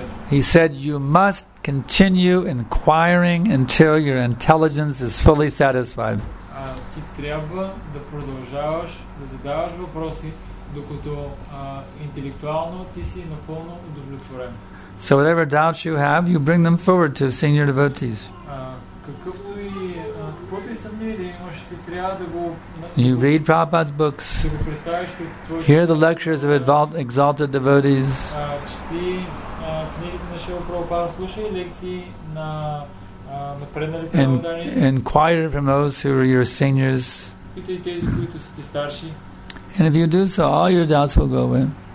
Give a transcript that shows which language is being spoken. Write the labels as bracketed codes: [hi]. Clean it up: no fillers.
[en] He said, you must continue inquiring until your intelligence is fully satisfied. [bg] Ти трябва да продължаваш да задаваш въпроси, докато интелектуално ти си напълно удовлетворен. [en] So whatever doubts you have, you bring them forward to senior devotees. [bg] Какъвто и каквото и съмнение имаш, ти трябва да го. [en] You read Prabhupada's books. Hear the lectures of exalted devotees. [bg] Чети книгите на Шрила Прабхупада, слушай лекции на. [en] Inquire from those who are your seniors. And if you do so, all your doubts will go away.